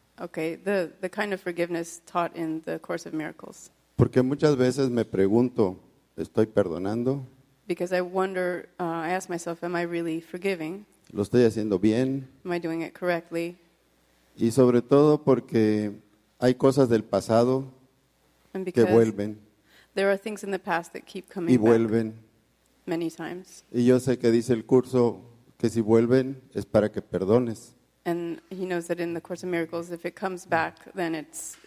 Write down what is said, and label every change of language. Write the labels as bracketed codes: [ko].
[en] Okay, the kind of forgiveness taught in the Course of Miracles. [es] Porque muchas veces me pregunto, ¿estoy perdonando? [en] Because I wonder, I ask myself, am I really forgiving? [es] ¿Lo estoy haciendo bien? [en] Am I doing it correctly? [es] Y sobre todo porque hay cosas del pasado que vuelven. [en] There are things in the past that keep coming back. [es] Y vuelven. [en] Many times. [es] Y yo sé que dice el curso que si vuelven es para que perdones. [en] And he knows that in the Course of Miracles, if it comes back, then it's